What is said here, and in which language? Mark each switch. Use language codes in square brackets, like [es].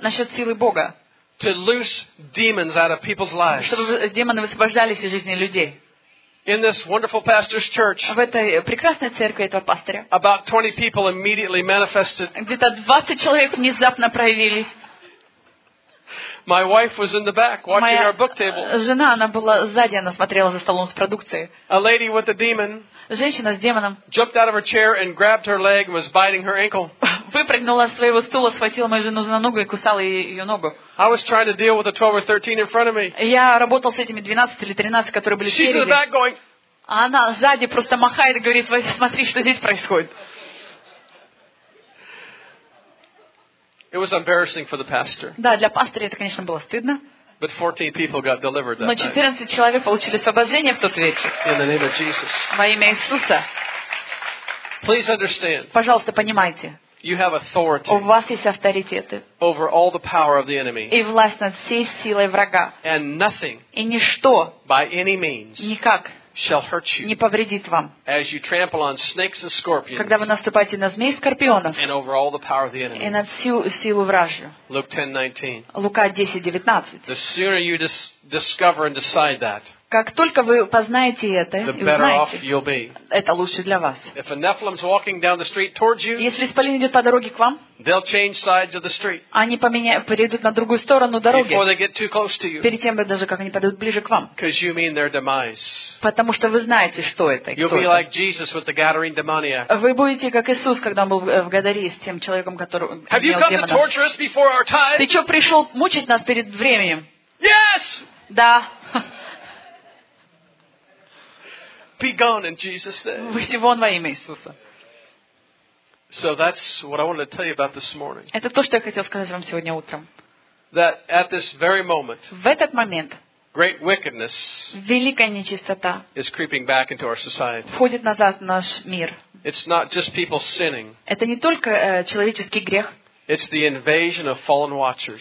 [ru] Насчет силы Бога. [en] To loose demons out of people's lives. [ru] Чтобы демоны высвобождались из жизни людей. [en] In this wonderful pastor's church. [ru] В этой прекрасной церкви этого пастора. [en] About 20 people immediately manifested. [ru] Где-то 20 человек внезапно проявились. [en] My wife was in the back watching our book table. [ru] Жена, она была сзади, она смотрела за столом с продукцией. [en] A lady with a demon. [ru] Женщина с демоном. [en] Jumped out of her chair and grabbed her leg and was biting her ankle. [ru] Выпрыгнула из своего стула, схватила мою жену за ногу и кусала ее ногу. [en] I was trying to deal with the 12 or 13 in front of me. [ru] Я работал с этими 12 или 13, которые были впереди. [en] She's in the back going. [ru] А она сзади просто махает и говорит: смотри, что здесь происходит. [en] It was embarrassing for the pastor. [ru] Да, для пастора это, конечно, было стыдно. [en] But 14 people got delivered that night. [ru] Но 14 человек получили освобождение в тот вечер. [en] In the name of Jesus. [ru] Во имя Иисуса. [en] Please understand. [ru] Пожалуйста, понимайте. [en] You have authority. [ru] У вас есть авторитеты. [en] Over all the power of the enemy. [ru] И власть над всей силой врага. [en] And nothing. [ru] И ничто. [en] By any means. [ru] Никак. [en] Shall hurt you. [ru] Не повредит вам. [en] As you trample on snakes and scorpions. [ru] Когда вы наступаете на змей и скорпионов. [en] And over all the power of the enemy. [ru] И над всю силу вражью. Лука 10:19. [en] The sooner you discover and decide that. [ru] Как только вы познаете это [en] the [ru] и узнаете, это лучше для вас. [en] If a Nephilim's walking down the street towards you. [ru] Если исполин идет по дороге к вам. [en] They'll change sides of the street. [ru] Они перейдут на другую сторону дороги. [en] Before they get too close to you. [ru] Перед тем, даже как они подойдут ближе к вам. [en] Because you mean their demise. [ru] Потому что вы знаете, что это. [en] You'll be like Jesus with the Gadarene demoniac. [ru] Вы будете как Иисус, когда он был в Гадарии с тем человеком, который имел демона. [en] Have you come to torture us before our time? [ru] Ты что, пришел мучить нас перед временем? [en] Yes. [ru] Да. [en] Be gone in Jesus' name. [ru] Выйди вон во имя Иисуса. [en] So that's what I wanted to tell you about this morning. [ru] Это то, что я хотел сказать вам сегодня утром. [en] That at this very moment. [ru] В этот момент. [en] Great wickedness. [ru] Великая нечистота. [en] Is creeping back into our society. [ru] Входит назад в наш мир. [en] It's not just people sinning. [ru] Это не только человеческий грех. [en] It's the invasion of fallen watchers.